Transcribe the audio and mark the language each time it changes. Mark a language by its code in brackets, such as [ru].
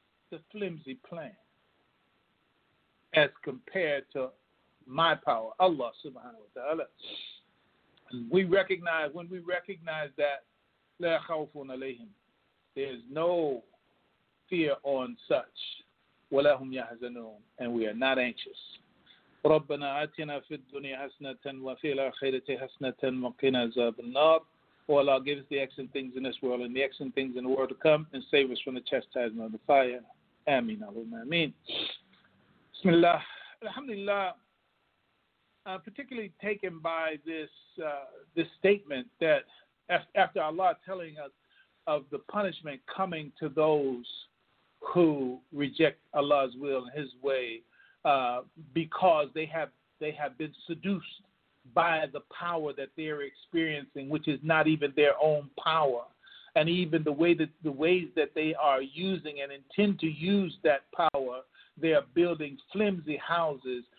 [en] the flimsy plan as compared to my power, Allah subhanahu wa ta'ala. And we recognize, when we recognize that, [ar] la khawfun alayhim, [en] there's no fear on such, [ar] wa lahum yahzanun, [en] and we are not anxious. [ar] ربنا آتنا في الدنيا حسنة وفي الآخرة حسنة وقنا عذاب النار. [en] Oh Allah, give us the excellent things in this world and the excellent things in the world to come, and save us from the chastisement of the fire. [ar] Ameen, Allahumma ameen. Bismillah. Alhamdulillah. [en] Particularly taken by this statement that after Allah telling us of the punishment coming to those who reject Allah's will and His way, because they have been seduced by the power that they're experiencing, which is not even their own power, and even the ways that they are using and intend to use that power, they are building flimsy houses.